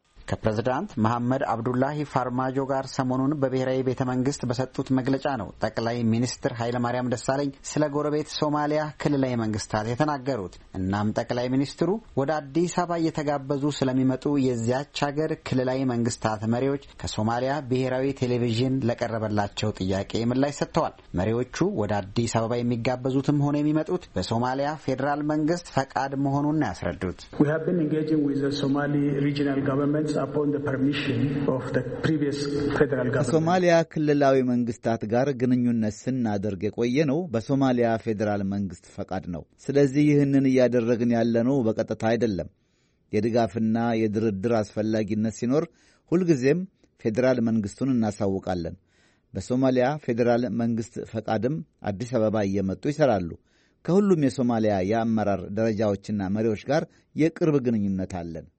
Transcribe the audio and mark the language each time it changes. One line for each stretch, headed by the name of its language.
Amharic: ከፕሬዝዳንት መሐመድ አብዱላሂ ፋርማጆ ጋር ሰሞኑን በብሔራዊ ቤተ መንግሥት በሰጡት መግለጫ ነው ጠቅላይ ሚኒስትር ኃይለማርያም ደሳለኝ ስለ ጎረቤት ሶማሊያ ክልላዊ መንግሥታት የተናገሩት። እናም ጠቅላይ ሚኒስትሩ ወደ አዲስ አበባ እየተጋበዙ ስለሚመጡ የዚያች ሀገር ክልላዊ መንግሥታት መሪዎች ከሶማሊያ ብሔራዊ ቴሌቪዥን ለቀረበላቸው ጥያቄ ምላሽ ሰጥተዋል። መሪዎቹ ወደ አዲስ አበባ የሚጋበዙትም ሆነ የሚመጡት በሶማሊያ ፌዴራል መንግሥት ፈቃድ መሆኑን ያስረዱት
English: We have been engaging with the Somali regional government upon the permission of the previous federal government.
Amharic: ከሶማሊያ ክልላዊ መንግስታት ጋር ግንኙነት ስናደርግ የቆየነው በሶማሊያ ፌዴራል መንግስት ፈቃድ ነው። ስለዚህ ይህንን ያደረግን ያለነው በቀጥታ አይደለም። የድጋፍና የድርድር አስፈላጊነት ሲኖር ሁልጊዜም ፌዴራል መንግስቱን እናሳውቃለን። በሶማሊያ ፌዴራል መንግስት ፈቃድም አዲስ አበባ እየመጡ ይሰራሉ። ከሁሉም የሶማሊያ ያመራር ደረጃዎችና መሪዎች ጋር የቅርብ ግንኙነት አለን።